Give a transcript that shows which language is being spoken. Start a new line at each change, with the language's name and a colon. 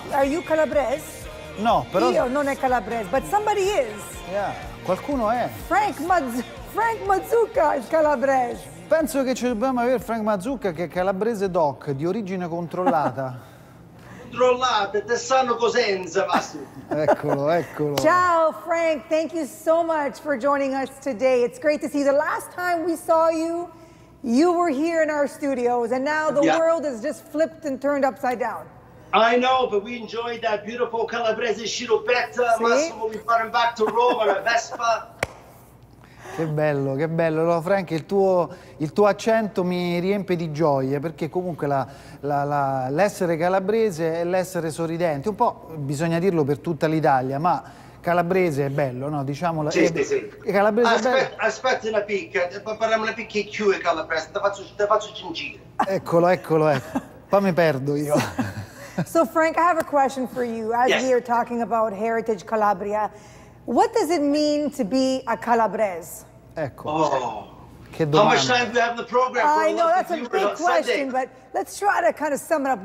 English: Are you Calabrese?
Italian: No, però io non è calabrese,
English: but somebody is.
Italian: Yeah, qualcuno è. Frank Mazzucca è calabrese. Penso che ci dobbiamo avere Frank Mazzucca, che è calabrese doc, di origine controllata. Controllata, te sanno Cosenza, Massimo. Eccolo.
English: Ciao Frank, thank you so much for joining us today. It's great to see you. The last time we saw you, you were here in our studios, and now the world has just flipped and turned upside down. I know, but we enjoyed that beautiful Calabrese sciroppetta, sì? Massimo, we brought him back to Rome on a Vespa.
Italian: Che bello. Allora, Frank, il tuo accento mi riempie di gioia, perché comunque l'essere calabrese è l'essere sorridente. Un po' bisogna dirlo per tutta l'Italia, ma calabrese è bello, no? Diciamolo. Sì. Aspetta una picca, parliamo una picca in più calabrese, te faccio cingire. Eccolo. Poi mi perdo io.
English: So Frank, I have a question for you. We are talking about Heritage Calabria, what does it mean to be a Calabrese?
Italian: Ecco.
English: Oh.
Italian: Che domanda.
English: How much time do we have in the program? I know that's a big question, but let's try to kind of sum it up.